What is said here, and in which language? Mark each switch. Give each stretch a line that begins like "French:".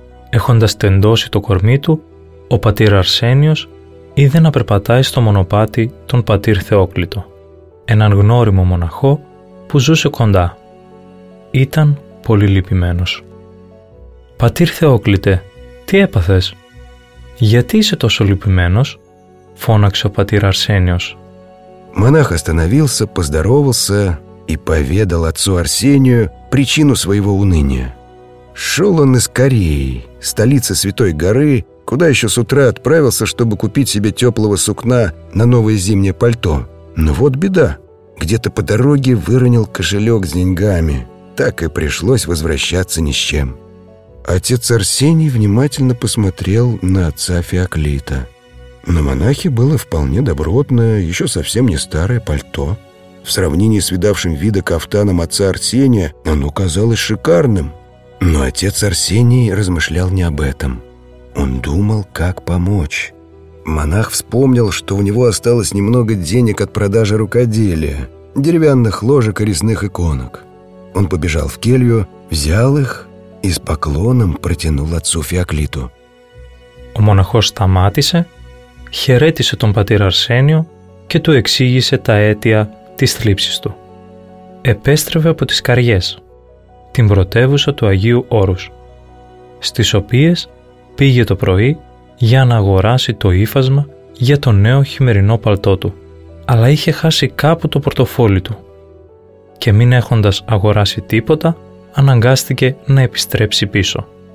Greek: Έχοντας τεντώσει το κορμί του, ο πατήρ Αρσένιος είδε να περπατάει στο μονοπάτι τον πατήρ Θεόκλητο, έναν γνώριμο μοναχό που ζούσε κοντά. Ήταν πολύ λυπημένος. «Πατήρ Θεόκλητε, τι έπαθες? Γιατί είσαι τόσο λυπημένος?» Фонакса патир Арсениус.
Russian: Монах остановился, поздоровался и поведал отцу Арсению причину своего уныния. Шел он из Кореи, столицы Святой Горы, куда еще с утра отправился, чтобы купить себе теплого сукна на новое зимнее пальто. Но вот беда. Где-то по дороге выронил кошелек с деньгами. Так и пришлось возвращаться ни с чем. Отец Арсений внимательно посмотрел на отца Феоклита. На монахе было вполне добротное, еще совсем не старое пальто. В сравнении с видавшим вида кафтаном отца Арсения, оно казалось шикарным. Но отец Арсений размышлял не об этом. Он думал, как помочь. Монах вспомнил, что у него осталось немного денег от продажи рукоделия, деревянных ложек и резных иконок. Он побежал в келью, взял их и с поклоном протянул отцу Феоклиту.
Greek: Ο μοναχός σταμάτησε, χαιρέτησε τον πατήρ Αρσένιο και του εξήγησε τα αίτια της θλίψης του. Επέστρεφε από τις Καριές, την πρωτεύουσα του Αγίου Όρους, στις οποίες πήγε το πρωί για να αγοράσει το ύφασμα για το νέο χειμερινό παλτό του, αλλά είχε χάσει κάπου το πορτοφόλι του και μην έχοντας αγοράσει τίποτα, αναγκάστηκε να επιστρέψει πίσω.